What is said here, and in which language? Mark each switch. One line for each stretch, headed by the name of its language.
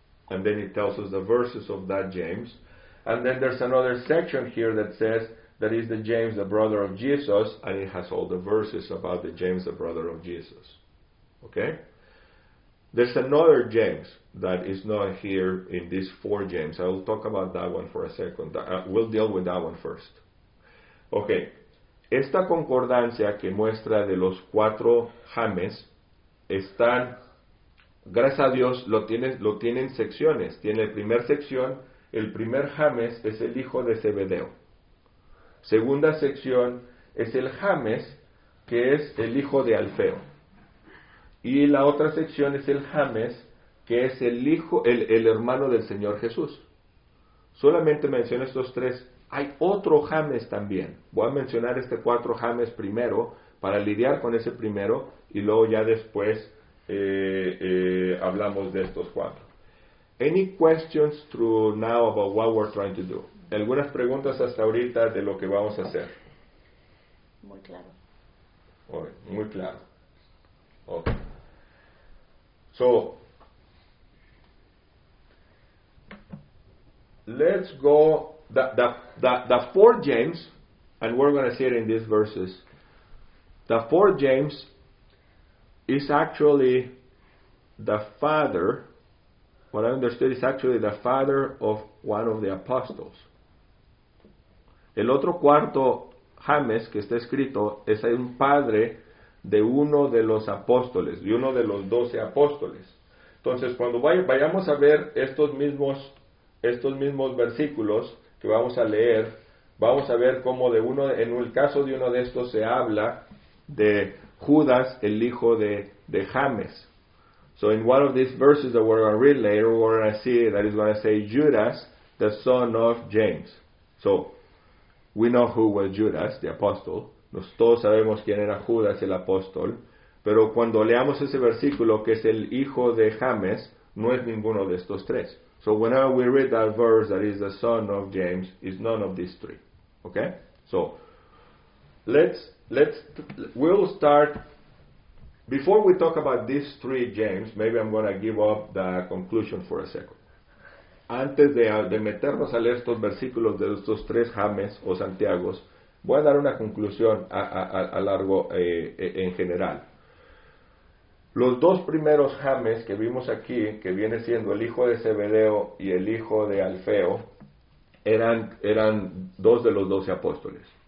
English: And then it tells us the verses of that James. And then there's another section here that says that is the James, the brother of Jesus. And it has all the verses about the James, the brother of Jesus. Okay? There's another James that is not here in these four James. I will talk about that one for a second. We'll deal with that one first. Okay.
Spanish: Esta concordancia que muestra de los cuatro James están... Gracias a Dios lo tiene en secciones. Tiene la primera sección, el primer James es el hijo de Zebedeo. Segunda sección es el James que es el hijo de Alfeo. Y la otra sección es el James que es el hermano del Señor Jesús. Solamente menciono estos tres. Hay otro James también. Voy a mencionar este cuatro James primero para lidiar con ese primero y luego ya después hablamos de estos cuatro.
English: Any questions through now about what we're trying to do?
Spanish: ¿Algunas preguntas hasta ahorita de lo que vamos a hacer? Muy claro.
English: Okay,
Spanish: muy claro.
English: Okay. So, let's go. The four James, and we're going to see it in these verses. The four James is actually the father, what I understood is actually the father of one of the apostles.
Spanish: El otro cuarto James que está escrito es un padre de uno de los apóstoles, de uno de los doce apóstoles. Entonces, cuando vayamos a ver estos mismos versículos que vamos a leer, vamos a ver cómo en el caso de uno de estos se habla de Judas, el hijo de James.
English: So in one of these verses that we're going to read later, we're going to see that it's going to say Judas, the son of James. So we know who was Judas, the apostle.
Spanish: Todos sabemos quién era Judas, el apóstol. Pero cuando leamos ese versículo, que es el hijo de James, no es ninguno de estos tres.
English: So whenever we read that verse, that is the son of James, is none of these three. Okay? So we'll start. Before we talk about these three James, maybe I'm going to give up the conclusion for a second.
Spanish: Antes de meternos a leer estos versículos de estos tres James o Santiagos, voy a dar una conclusión a largo en general. Los dos primeros James que vimos aquí, que viene siendo el hijo de Zebedeo y el hijo de Alfeo, eran dos de los doce apóstoles.